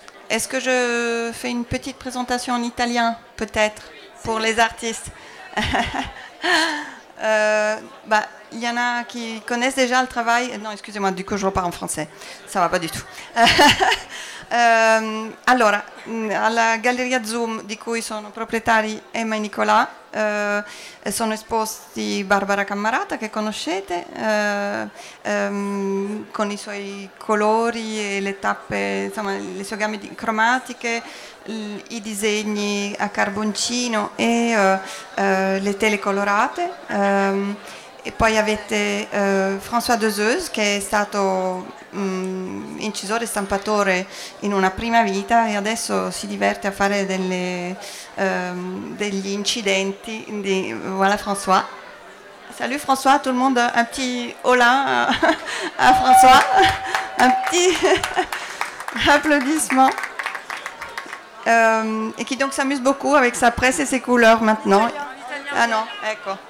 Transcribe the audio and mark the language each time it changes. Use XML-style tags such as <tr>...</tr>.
<fr>Est-ce que je fais une petite présentation en italien, peut-être, pour les artistes? Il y en a qui connaissent déjà le travail. Non, excusez-moi, du coup, je repars en français. Ça ne va pas du tout.</fr> <it>Allora, alla Galleria Zoom, di cui sono proprietari Emma e Nicolà, sono esposti Barbara Cammarata, che conoscete, con i suoi colori e le tappe, insomma, le sue gamme cromatiche, i disegni a carboncino e le tele colorate. E poi avete François Deseuse, che è stato incisore e stampatore in una prima vita e adesso si diverte a fare degli incidenti. Quindi, voilà François.</it> <fr>Salut François, tout le monde, un petit hola à François. Un petit applaudissement. Et qui donc s'amuse beaucoup avec sa presse et ses couleurs maintenant.</fr> <it>Ah non, ecco.</it>